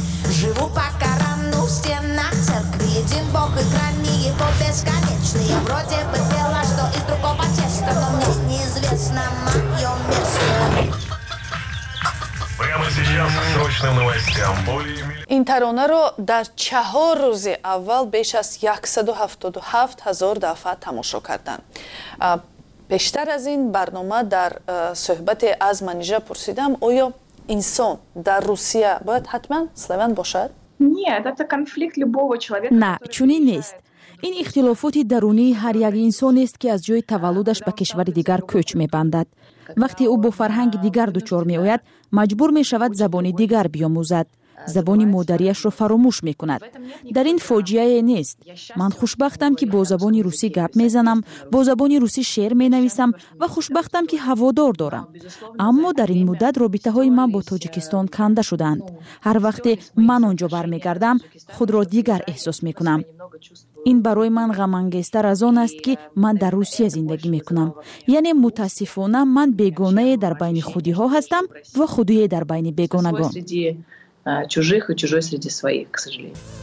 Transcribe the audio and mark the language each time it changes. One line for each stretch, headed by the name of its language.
Russian: Живу по Корану, в стенах церкви. Един Бог и храни его бесконечный. Я вроде бы пела, что из другого теста, но мне неизвестно мое место. Прямо сейчас к срочным новостям.
Persian: این ترانه را در 4 روز اول بیش از 177,000 دفعه تماشا کردند. بیشتر از این برنامه در صحبت از منیجه پرسیدم آیا انسان در روسیه باید حتما سلاویان باشد؟ نه، چونین نیست. این اختلافات درونی هر یک انسان است که از جای تولدش به کشور دیگر کوچ می بندد. وقتی او با فرهنگ دیگر دچار می آید، مجبور می شود زبان دیگر بیاموزد. زبانی مادریش را فراموش می کند. در این فاجعه نیست. من خوشبختم که با زبانی روسی گپ می زنم، با زبانی روسی شعر می نویسم و خوشبختم که هوادار دارم. اما در این مدت رابطه های من با تاجیکستان کنده شدند. هر وقت من آنجا برمی گردم، خود را دیگر احساس می کنم. این برای من غم‌انگیزتر از آن است که من در روسیه زندگی میکنم. یعنی متاسفانه من بیگانه در بین خودی ها هستم و خودی در بین بیگانگان.
Russian: Чужих и чужой среди своих, к сожалению.